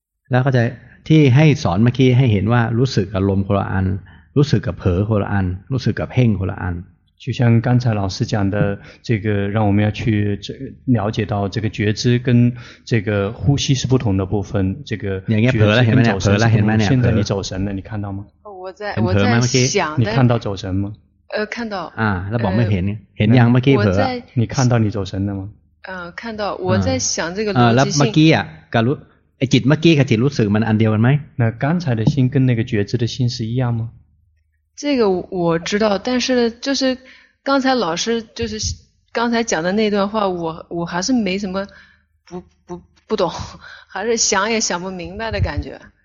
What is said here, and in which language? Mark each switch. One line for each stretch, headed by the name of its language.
Thai: แล้วก็จะที่ให้สอนเมื่อกี้ให้เห็นว่ารู้สึกกับลมคนละอันรู้สึกกับเผลอคนละอันรู้สึกกับเพ่งคนละอัน
Chinese: 就像刚才老师讲的这个让我们要去了解到这个觉知跟这个呼吸是不同的部分这个觉知跟走神是不同的现在你走神了你看到吗我在想的你看到走神吗看到那宝贝很阳吗我在你看到你走神了吗看到我在想这个逻辑性那宝贝跟
Thai: จิตเมื่อกี้กับจิตรู้สึกมันอันเดียวกันไหม
Chinese: 那刚才的心跟那个觉知的心是一样吗这个我知道但是就是刚才老师就是刚才讲的那段话我还是没什么不懂还是想也想不明白的感觉